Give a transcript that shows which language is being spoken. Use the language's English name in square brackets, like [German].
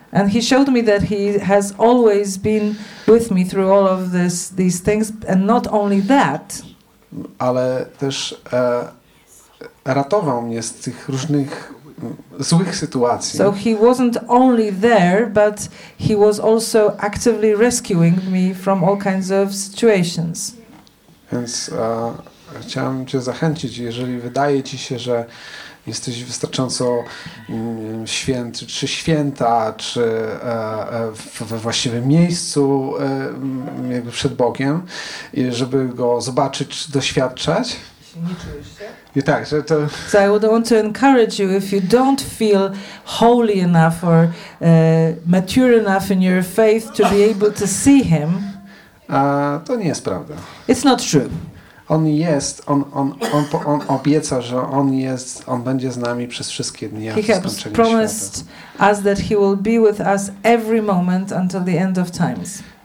[English] And he showed me that he has always been with me through all of these things and not only that. [Polish] Ale też ratował mnie z tych różnych złych sytuacji. [English] So he wasn't only there, but he was also actively rescuing me from all kinds of situations. [Polish] Więc chciałem cię zachęcić, jeżeli wydaje ci się, że jesteś wystarczająco święty, czy święta, czy we właściwym miejscu jakby przed Bogiem, żeby go zobaczyć, doświadczać. Nie czujesz się? I tak, że to. [English] So I would want to encourage you, if you don't feel holy enough or mature enough in your faith to be able to see him. [Polish] To nie jest prawda. [English] It's not true. [Polish] On jest, on obieca, że on jest, on będzie z nami przez wszystkie dni aż do skończenia świata. [English] He has promised us that he will be with us every moment until the end of times.